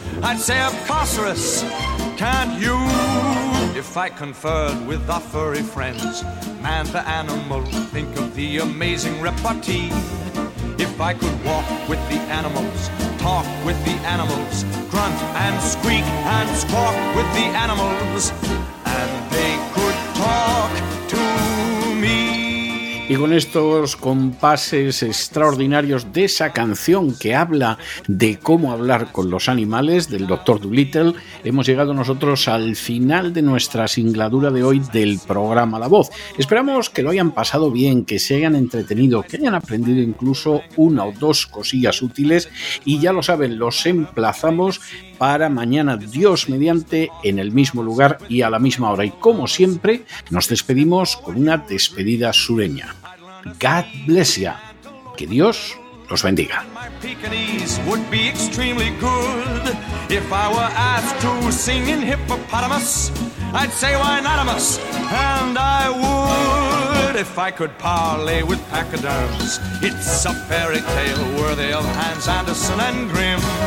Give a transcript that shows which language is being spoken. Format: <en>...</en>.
<en>I'd say, of carceros, can't you? If I conferred with our furry friends, man the animal, think of the amazing repartee. If I could walk with the animals, talk with the animals, grunt and squeak and squawk with the animals, and they could talk to me.</en> <es>Y con estos compases extraordinarios de esa canción que habla de cómo hablar con los animales, del Dr. Dolittle, hemos llegado nosotros al final de nuestra singladura de hoy del programa La Voz. Esperamos que lo hayan pasado bien, que se hayan entretenido, que hayan aprendido incluso una o dos cosillas útiles. Y ya lo saben, los emplazamos para mañana, Dios mediante, en el mismo lugar y a la misma hora. Y como siempre, nos despedimos con una despedida sureña.</es> <en>God bless ya.</en> <es>Que Dios los bendiga.</es> <en>My Pekingese would be extremely good if I were asked to sing in hippopotamus. I'd say winotamus, and I would if I could parlay with pachyderms. It's a fairy tale worthy of Hans Andersen and Grimm.</en>